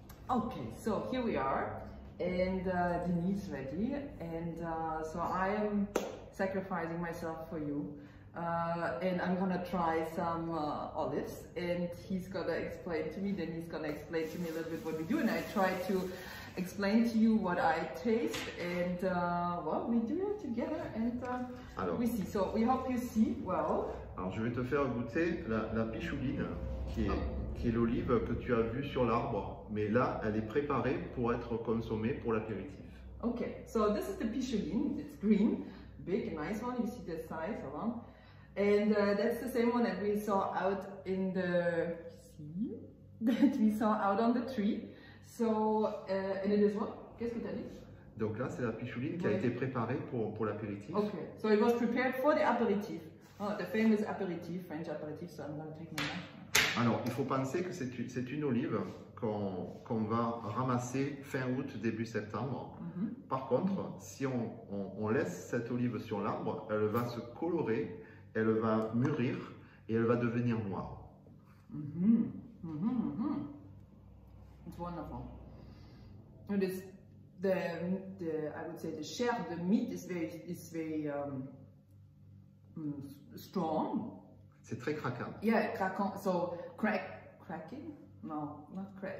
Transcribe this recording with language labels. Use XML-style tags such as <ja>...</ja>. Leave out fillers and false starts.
<en>Okay, so here we are, and Denis is ready, and so I am sacrificing myself for you, and I'm gonna try some olives, and he's gonna explain to me, Denis is gonna explain to me a little bit what we do, and I try to explain to you what I taste, and well, we do it together, and</en> <fr>alors,</fr> <en>we see. So we hope you see well.</en> <fr>Alors, je vais te faire goûter la pichouline, qui est l'olive que tu as vue sur l'arbre. Mais là, elle est préparée pour être consommée pour l'apéritif.</fr> <en>Ok, so this is the pichouline. It's green, big, nice one. You see the size around. And that's the same one that we saw out in the sea, that we saw out on the tree. So, and it is what?</en> <fr>Qu'est-ce que t'as dit? Donc là, c'est la pichouline qui a été préparée pour l'apéritif.</fr> <en>Okay, so it was prepared for the aperitif. Oh, the famous aperitif, French aperitif, so I'm going to take my knife.</en> <fr>Alors, il faut penser que c'est une olive qu'on va ramasser fin août, début septembre. Mm-hmm. Par contre, si on laisse cette olive sur l'arbre, elle va se colorer, elle va mûrir et elle va devenir noire.</fr> <en>Mm-hmm. Mm-hmm, mm-hmm. It's wonderful. It is the I would say the chair, the meat is very strong.</en> <fr>C'est très craquant.</fr> <en>Yeah, craquant. So cracking? No, not crack.</en>